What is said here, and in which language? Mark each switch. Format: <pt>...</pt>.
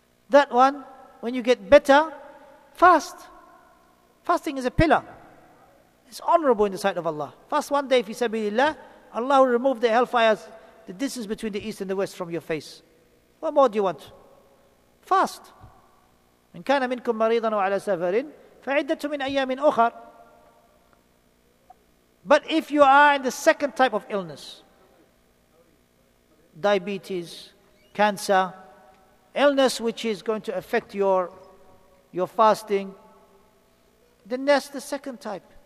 <en>That one, when you get better, fast. Fasting is a pillar. It's honorable in the sight of Allah. Fast one day, fi sabilillah, Allah will remove the hellfires, the distance between the east and the west from your face. What more do you want? Fast.</en> <ar>إن كان منكم مريضاً أو على سفر فعدة من أيام أخر.</ar> <en>But if you are in the second type of illness, diabetes, cancer, illness which is going to affect your fasting, then that's the second type.</en>